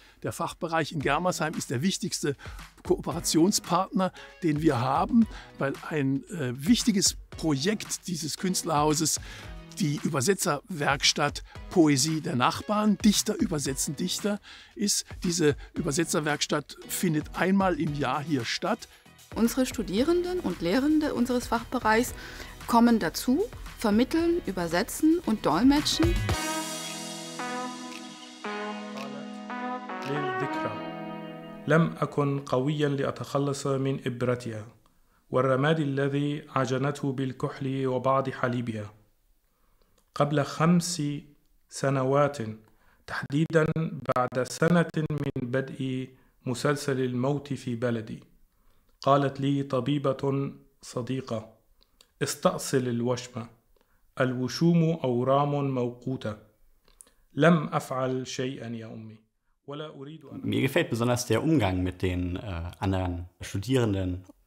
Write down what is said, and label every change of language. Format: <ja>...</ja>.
<de>Der Fachbereich in Germersheim ist der wichtigste Kooperationspartner, den wir haben, weil ein wichtiges Projekt dieses Künstlerhauses die Übersetzerwerkstatt Poesie der Nachbarn, Dichter übersetzen Dichter, ist. Diese Übersetzerwerkstatt findet einmal im Jahr hier statt. Unsere Studierenden und Lehrende unseres Fachbereichs kommen dazu, vermitteln, übersetzen und dolmetschen.</de> <ar>للذكرى لم أكن قويا لأتخلص من إبرتها والرماد الذي عجنته بالكحل وبعض حليبها. قبل 5 سنوات تحديدا بعد سنة من بدء مسلسل الموت في بلدي قالت لي طبيبة صديقة استأصل الوشم الوشوم أورام موقوتة لم أفعل شيئا يا أمي.</ar> <de>Mir gefällt besonders der Umgang mit den anderen Studierenden.</de>